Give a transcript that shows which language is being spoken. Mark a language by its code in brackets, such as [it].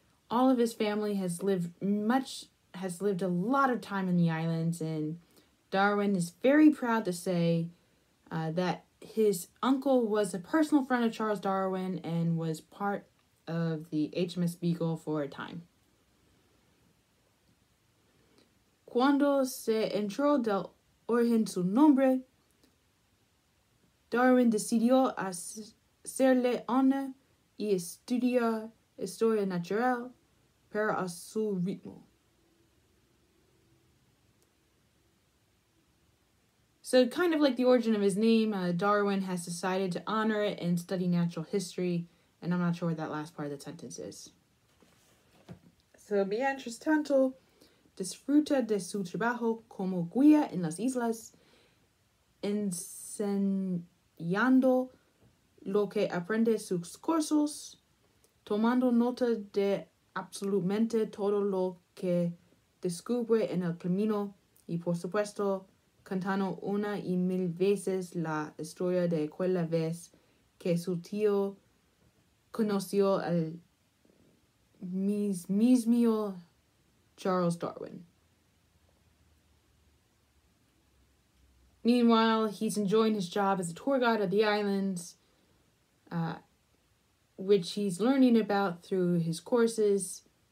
[en] All of his family has lived a lot of time in the islands, and Darwin is very proud to say that his uncle was a personal friend of Charles Darwin and was part of the HMS Beagle for a time. [es] Cuando se enteró del origen su nombre, Darwin decidió hacerle honor y estudiar historia natural pero a su ritmo. [en] So kind of like the origin of his name, Darwin has decided to honor it and study natural history. And I'm not sure what that last part of the sentence is. [es] So, mientras tanto, disfruta de su trabajo como guía en las islas, enseñando lo que aprende sus cursos, tomando nota de absolutamente todo lo que descubre en el camino, y por supuesto, cantando una y mil veces la historia de aquella vez que su tío conoció al mismo Charles Darwin. [en] Meanwhile, he's enjoying his job as a tour guide of the islands, which he's learning about through his courses.